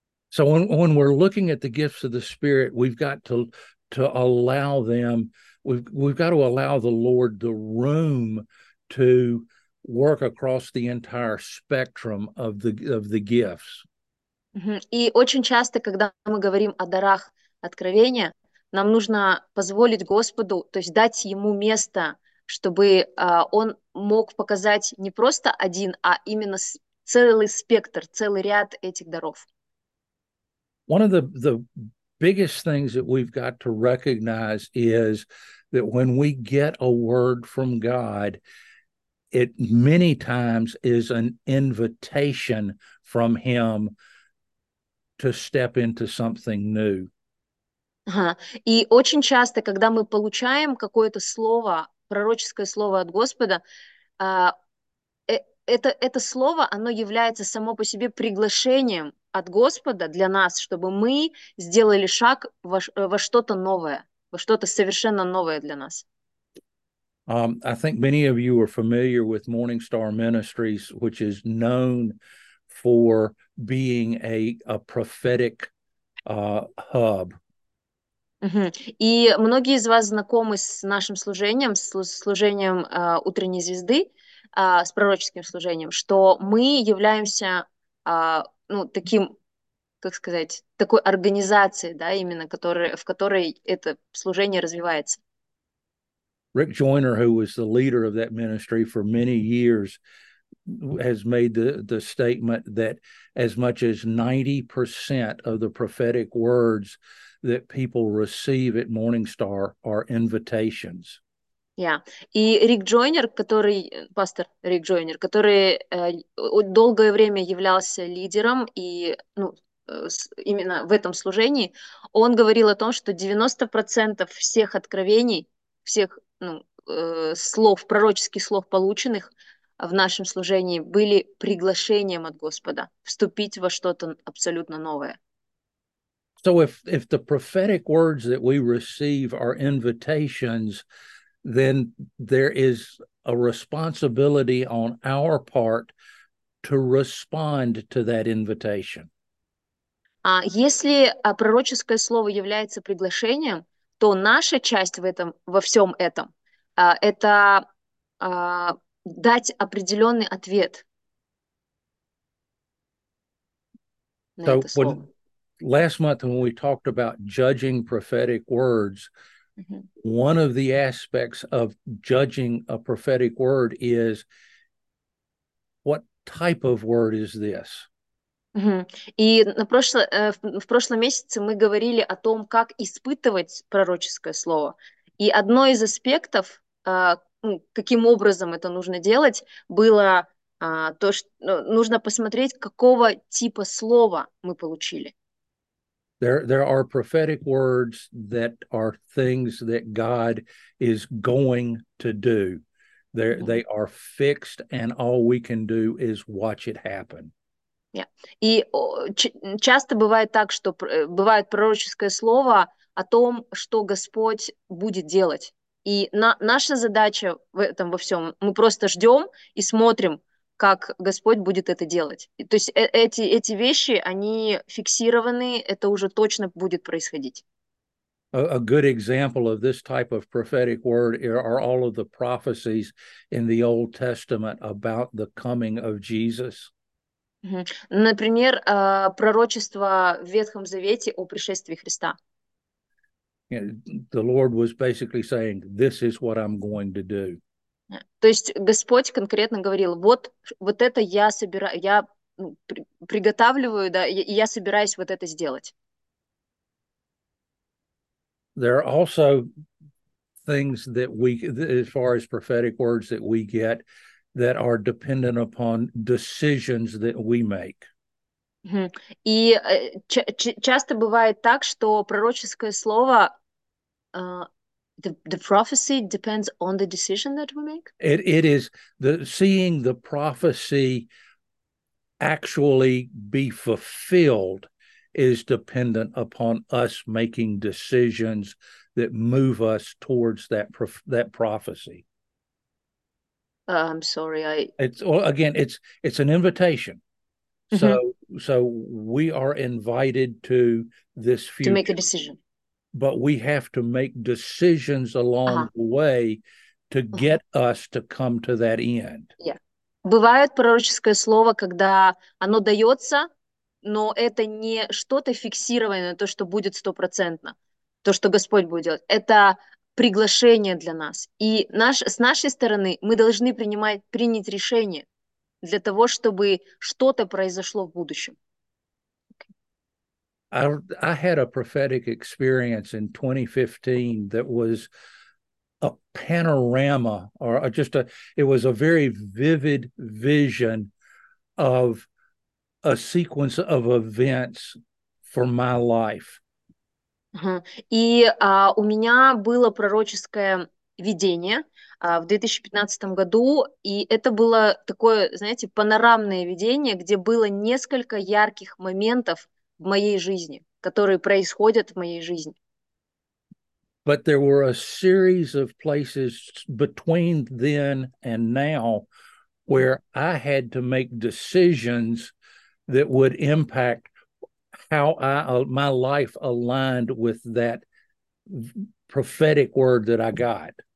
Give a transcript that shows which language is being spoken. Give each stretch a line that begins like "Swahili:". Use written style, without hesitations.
English: So when we're looking at the gifts of the Spirit, we've got to allow them, we've got to allow the Lord the room to work across the entire spectrum of the gifts.
Russian: И очень часто, когда мы говорим о дарах откровения, нам нужно позволить Господу, то есть дать ему место, чтобы он мог показать не просто один, а именно целый спектр, целый ряд этих даров.
English: One of the biggest things that we've got to recognize is that when we get a word from God, it many times is an invitation from him to step into something new.
Russian: И очень часто, когда мы получаем какое-то слово, пророческое слово от Господа, это слово, оно является само по себе приглашением от Господа для нас, чтобы мы сделали шаг во что-то новое, во что-то совершенно новое для нас.
English: I think many of you are familiar with Morning Star Ministries, which is known for being a prophetic hub. Uh-huh.
Russian: И многие из вас знакомы с нашим служением, с служением утренней звезды, с пророческим служением, что мы являемся таким, как сказать, такой организацией, да, именно в которой это служение развивается.
English: Rick Joyner, who was the leader of that ministry for many years, has made the statement that as much as 90% of the prophetic words that people receive at Morningstar are invitations.
Russian: И Рик Джойнер, который, пастор Рик Джойнер, который долгое время являлся лидером и, ну, именно в этом служении, он говорил о том, что 90% всех откровений, всех, ну, слов, пророческих слов, полученных в нашем служении, были приглашением от Господа вступить во что-то абсолютно новое.
English: So if the prophetic words that we receive are invitations, then there is a responsibility on our part to respond to that invitation.
Russian: А если пророческое слово является приглашением, то наша часть в этом, во всем этом, это дать определенный ответ на
English: So
Russian: это слово.
English: Last month, when we talked about judging prophetic words, one of the aspects of judging a prophetic word is, what type of word is this?
Russian: И в прошлом месяце мы говорили о том, как испытывать пророческое слово. И одно из аспектов, каким образом это нужно делать, было то, что нужно посмотреть, какого типа слова мы получили.
English: There are prophetic words that are things that God is going to do. They are fixed, and all we can do is watch it happen.
Russian: И часто бывает так, что бывает пророческое слово о том, что Господь будет делать. И наша задача в этом во всем, мы просто ждем и смотрим, как Господь будет это делать. То есть эти вещи, они фиксированы, это уже точно будет происходить.
English: A good example of this type of prophetic word are all of the prophecies in the Old Testament about the coming of Jesus.
Russian: Например, пророчество в Ветхом Завете о пришествии Христа.
English: The Lord was basically saying, "This is what I'm going to do."
Russian: То есть Господь конкретно говорил, вот это я собираю, я приготавливаю, да, и я собираюсь вот это сделать.
English: There are also things that we, as far as prophetic words that we get, that are dependent upon decisions that we make.
Russian: И часто бывает так, что пророческое слово,
English: the prophecy depends on the decision that we make. It is the seeing the prophecy actually be fulfilled is dependent upon us making decisions that move us towards that prophecy. I'm sorry, it's an invitation. So we are invited to this future. To make a decision. But we have to make decisions along the way to get us to come to that end.
Russian: Бывает пророческое слово, когда оно дается, но это не что-то фиксированное, то, что будет стопроцентно, то, что Господь будет делать. Это приглашение для нас. И с нашей стороны мы должны принять решение для того, чтобы что-то произошло в будущем.
English: I had a prophetic experience in 2015 that was a panorama, or just a, it was a very vivid vision of a sequence of events for my life.
Russian: И у меня было пророческое видение в 2015 году, и это было такое, знаете, панорамное видение, где было несколько ярких моментов в моей жизни, которые происходят в моей жизни.
English: But there were a series of places between then and now where I had to make decisions that would impact how I my life aligned with that prophetic word that I got.